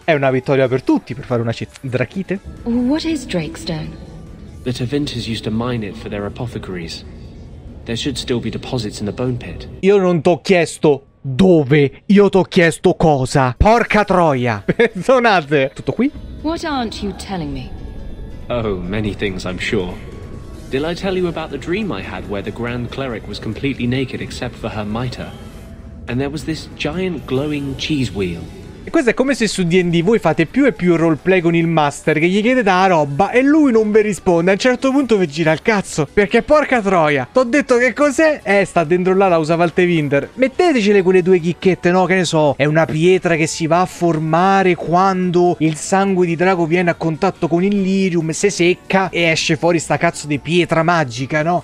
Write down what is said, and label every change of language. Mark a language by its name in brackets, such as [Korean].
[Italian] È una vittoria per tutti, per fare una drachite. [English] What is Drakestone? The Tevinters used to mine it for their apothecaries. There should still be deposits in the bone pit. [Italian] Io non t'ho chiesto dove, io t'ho chiesto cosa. Porca troia. Perdonate. Tutto qui? [English] What aren't you telling me? Oh, many things, I'm sure. Did I tell you about the dream I had where the Grand Cleric was completely naked except for her mitre? And there was this giant glowing cheese wheel. [Italian] E questo è come se su D&D voi fate più e più roleplay con il master che gli chiedete la roba e lui non vi risponde. A un certo punto vi gira il cazzo. Perché porca troia, t'ho detto che cos'è? Sta dentro là, la usava il Tevinter. Mettetecele quelle due chicchette, no? Che ne so, è una pietra che si va a formare quando il sangue di drago viene a contatto con il lirium, si secca e esce fuori sta cazzo di pietra magica, no?